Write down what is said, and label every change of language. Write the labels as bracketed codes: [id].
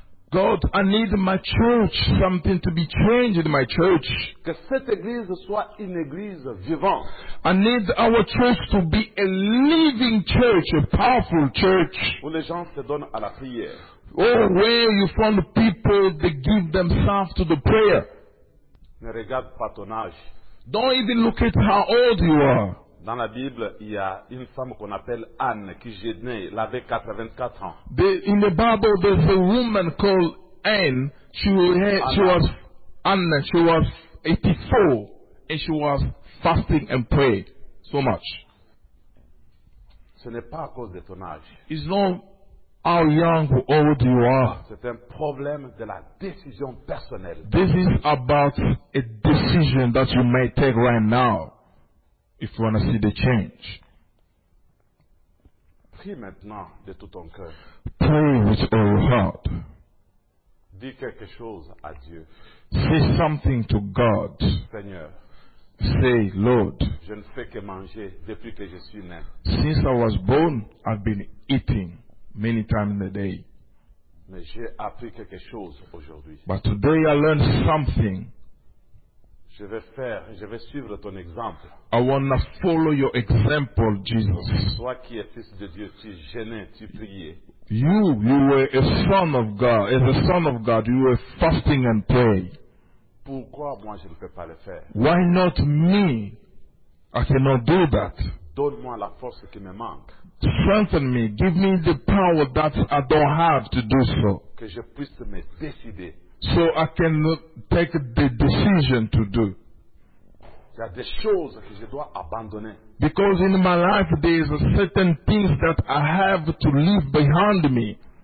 [en] God, I need my church, something to be changed in my church. [fr] Que cette église soit une église vivante. [en] I need our church to be a living church, a powerful church. [fr] Où les gens se donnent à la prière. [en] Oh, where you find people that give themselves to the prayer. [fr] Ne regarde pas ton âge. [en] Don't even look at how old you are. [fr] Dans la Bible, il y a une femme qu'on appelle Anne qui jeûnait. Elle avait 84 ans. [en] In the Bible, there's a woman called Anne. She was Anne. She was 84 and she was fasting and prayed so much. [fr] Ce n'est pas à cause de ton âge. [en] It's not how young or old you are. [fr] C'est un problème de la décision personnelle. [en] This is about a decision that you may take right now. If you want to see the change, [fr] prie maintenant de tout ton cœur. [en] Pray with all your heart. [fr] Dis quelque chose à Dieu. [en] Say something to God. [fr] Seigneur. [en] Say, Lord. [fr] Je ne fais que manger depuis que je suis né. [en] Since I was born, I've been eating many times in the day. [fr] Mais j'ai appris quelque chose aujourd'hui. [en] But today I learned something. [fr] Je vais suivre ton exemple. [en] I want to follow your example, Jesus. [fr] Toi qui es fils de Dieu, tu jeûnais, tu priais. [en] You were a son of God. As a son of God, you were fasting and praying. [fr] Pourquoi moi je ne peux pas le faire? [en] Why not me? I cannot do that. [fr] Donne-moi la force qui me manque. [en] Strengthen me. Give me the power that I don't have to do so. [fr] Que je puisse me décider. [en] So I can take the decision to do. [fr] Il y a des choses que je dois abandonner. [en] Because in my life there is a certain things that I have to leave behind me.